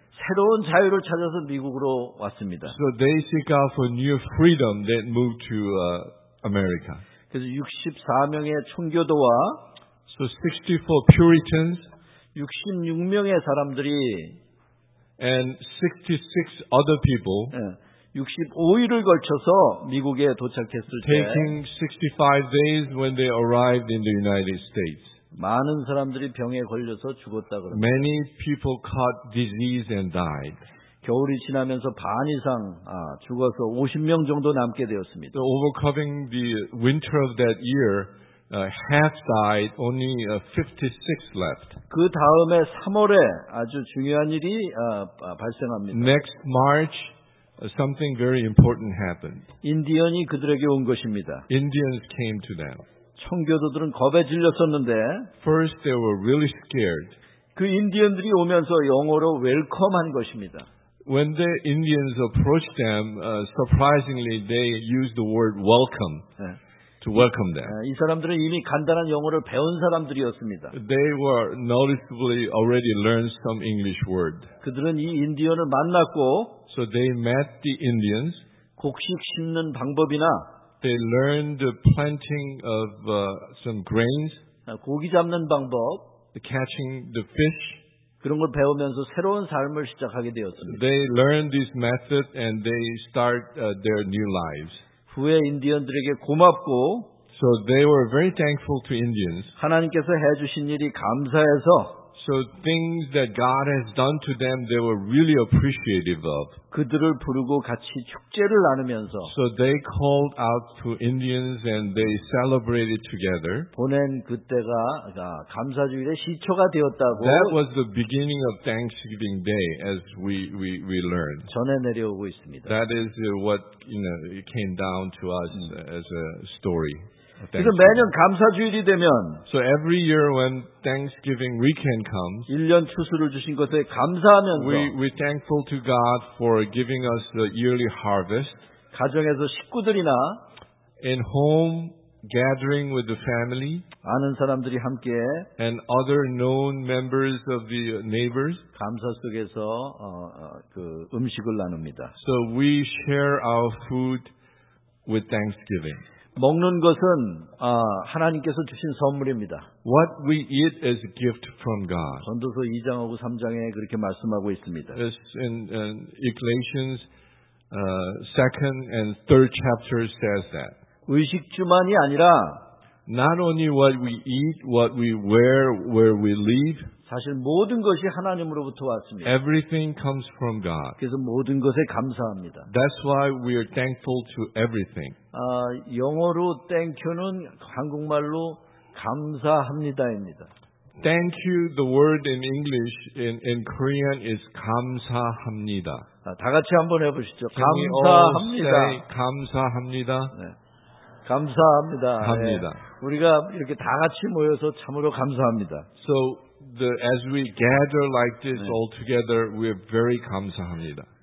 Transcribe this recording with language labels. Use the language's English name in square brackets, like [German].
[Korean] 새로운 자유를 찾아서 미국으로 왔습니다. [English] So they seek out for new freedom, they moved to America. [Korean] 그래서 64명의 총교도와 [English] so 64 Puritans, [Korean] 66명의 사람들이 [English] and 66 other people. [Korean] 65일을 걸쳐서 미국에 도착했을 때 [English] taking 65 days when they arrived in the United States. [Korean] 많은 사람들이 병에 걸려서 죽었다 그러죠. [English] Many people caught disease and died. [Korean] 겨울이 지나면서 반 이상 죽어서 50명 정도 남게 되었습니다. [English] So overcoming the winter of that year, half died, only 56 left. [Korean] 그 다음에 3월에 아주 중요한 일이 발생합니다. [English] Next March Something very important happened. [Korean] 인디언이 그들에게 온 것입니다. [English] Indians came to them. [Korean] 청교도들은 겁에 질렸었는데 [English] First they were really scared. [Korean] 그 인디언들이 오면서 영어로 웰컴한 것입니다. [English] When the Indians approached them, surprisingly they used the word welcome to welcome them. [Korean] 이 사람들은 이미 간단한 영어를 배운 사람들이었습니다. [English] They were noticeably already learned some English word. [Korean] 그들은 이 인디언을 만났고 [English] So they met the Indians. [Korean] 곡식 심는 방법이나 [English] they learned the planting of some grains. [Korean] 고기 잡는 방법, [English] the catching the fish. [Korean] 그런 걸 배우면서 새로운 삶을 시작하게 되었습니다. [English] They learned this method and they start their new lives. [Korean] 후에 인디언들에게 고맙고 [English] so they were very thankful to Indians. [Korean] 하나님께서 해 주신 일이 감사해서 [English] So things that God has done to them, they were really appreciative of. [Korean] 그들을 부르고 같이 축제를 나누면서. [English] So they called out to Indians and they celebrated together. [Korean] 보낸 그때가 그러니까 감사주일의 시초가 되었다고. [English] That was the beginning of Thanksgiving Day, as we learned. [Korean] 전해 내려오고 있습니다. [English] That is what you know it came down to us as a story. [Korean] 그래서 매년 감사주일이 되면 [English] so every year when Thanksgiving weekend comes [Korean] 1년 추수를 주신 것에 감사하면서 [English] we thankful to God for giving us the yearly harvest [Korean] 가정에서 식구들이나 [English] in home gathering with the family [Korean] 아는 사람들이 함께 [English] and other known members of the neighbors [Korean] 감사 속에서 그 음식을 나눕니다. [English] So we share our food with thanksgiving. [Korean] 먹는 것은 하나님께서 주신 선물입니다. [English] What we eat is a gift from God. [Korean] 전도서 2장하고 3장에 그렇게 말씀하고 있습니다. [English] It's in Ecclesians 2nd and 3rd chapters says that. [Korean] 의식주만이 아니라 [English] not only what we eat, what we wear, where we live. [Korean] 사실 모든 것이 하나님으로부터 왔습니다. [English] Everything comes from God. [Korean] 그래서 모든 것에 감사합니다. [English] That's why we are thankful to everything. [Korean] 영어로 thank you는 한국말로 감사합니다입니다. [English] Thank you, the word in English, in Korean is [Korean] 감사합니다. 다 같이 한번 해보시죠. 감사합니다. 감사합니다. 네. 감사합니다. 감사합니다. 네. 우리가 이렇게 다 같이 모여서 참으로 감사합니다. [English] So, as we gather like this [Korean] 네. [English] all together, we are very [Korean] 감사합니다.